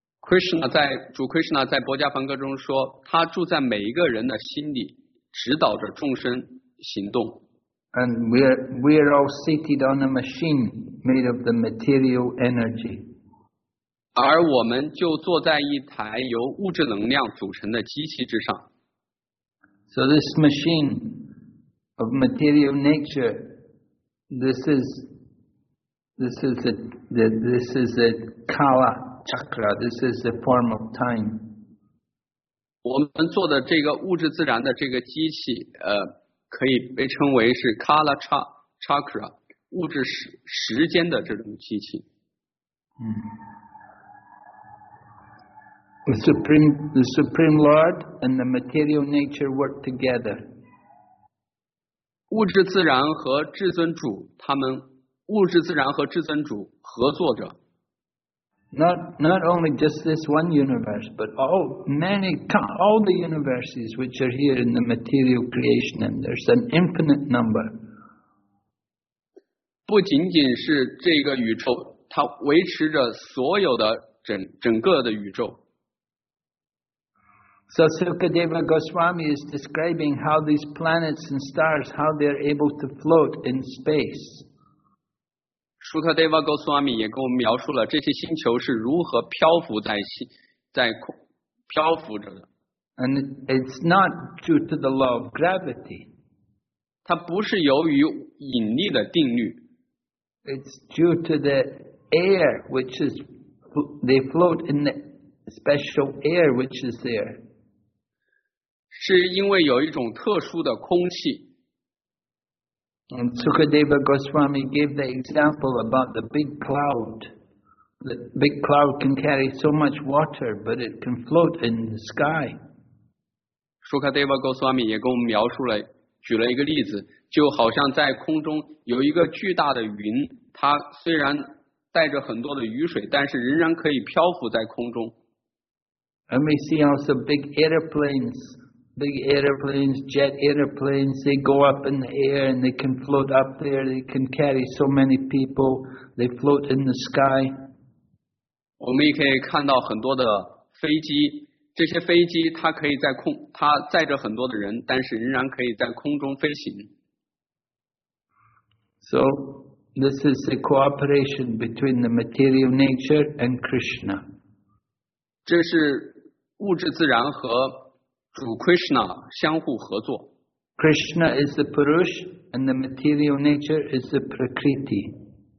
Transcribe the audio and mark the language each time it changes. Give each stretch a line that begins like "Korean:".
Chinese: 主 Krishna 在薄伽梵歌中说，他住在每一个人的心里，指导着众生行动。
English: And we're all seated on a machine made of the material energy.
Chinese: 而我们就坐在一台由物质能量组成的机器之上。
English: So this machine of material nature, this is a kala chakra. This is a form of time.
Chinese: 我们做的这个物质自然的这个机器，可以被称为是 kala chakra， 物质时间的这种机器。
English: The supreme Lord and the material nature work together.
Chinese: 物质自然和至尊主，他们物质自然和至尊主合作着。
English: Not only just this one universe, but all the universes which are here in the material creation, and there's an infinite number.
Chinese: 不仅仅是这个宇宙，它维持着所有的整个的宇宙。
English: So Sukadeva Goswami is describing how these planets and stars, how they are able to float in space.
Chinese: Sukadeva Goswami 也给我们描述了这些星球是如何漂浮着的。
English: And it's not due to the law of gravity.
Chinese: 它不是由于引力的定律。
English: It's due to the air which is, they float in the special air which is there.
Chinese: 是因为有一种特殊的空气。
English: And Sukadeva Goswami gave the example about the big cloud. The big cloud can carry so much water, but it can float in the sky.
Chinese: Sukadeva Goswami 也给我们描述了，举了一个例子，就好像在空中有一个巨大的云，它虽然带着很多的雨水，但是仍然可以漂浮在空中。
English: And we see also big airplanes. Big airplanes, jet airplanes, they go up in the air and they can float up there, they can carry so many people, they float in the sky.
Chinese: 我们也可以看到很多的飞机，这些飞机它可以在空，它载着很多的人，但是仍然可以在空中飞行。
English: So, this is the cooperation between the material nature and Krishna.
Chinese: 这是物质自然和主 Krishna 相互合作。
English: Krishna is the Purush and the material nature is the Prakriti.